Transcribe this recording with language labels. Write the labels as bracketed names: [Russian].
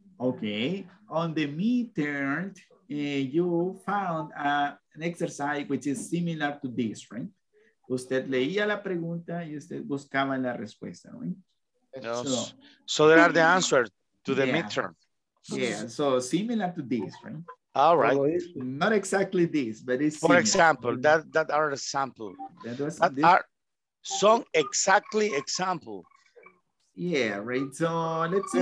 [English] Okay, on the midterm, you found an exercise which is similar to this, right? [Spanish] Usted leía la pregunta y usted buscaba la respuesta, right? [English] Yes. So there are the answers to the midterm. Yeah, so similar to this, right? All right. Not exactly this, but it's similar. For example, that are example. Some exactly example. Yeah, right, so let's see.